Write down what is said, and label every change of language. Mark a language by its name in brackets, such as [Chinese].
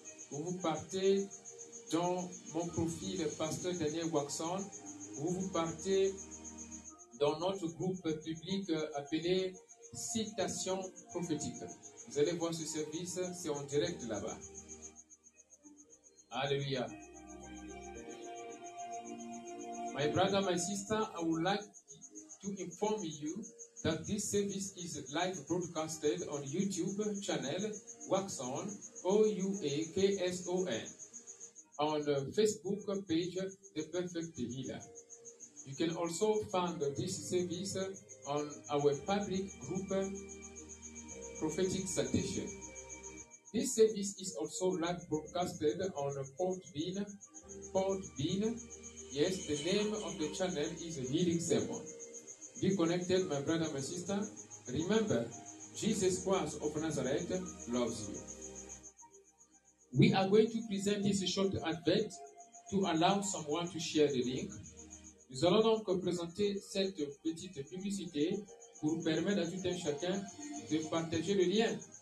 [French] Vous partez dans mon profil Pasteur Daniel Wax On. Vous partez dans notre groupe public appelé Citation Prophétique. Vous allez voir ce service, c'est en direct là-bas. Alléluia. [English] My brother, my sister, I would like to inform you that this service is live broadcasted on YouTube channel Wax On, O-U-A-K-S-O-N, on Facebook page The Perfect Healer. You can also find this service on our public group Prophetic Citation. This service is also live broadcasted on Podbean. Yes, the name of the channel is Healing Sermon. Be connected, my brother, my sister. Remember, Jesus Christ of Nazareth loves you. We are going to present this short advert to allow someone to share the link. [French] Nous allons donc présenter cette petite publicité pour permettre à tout un chacun de partager le lien.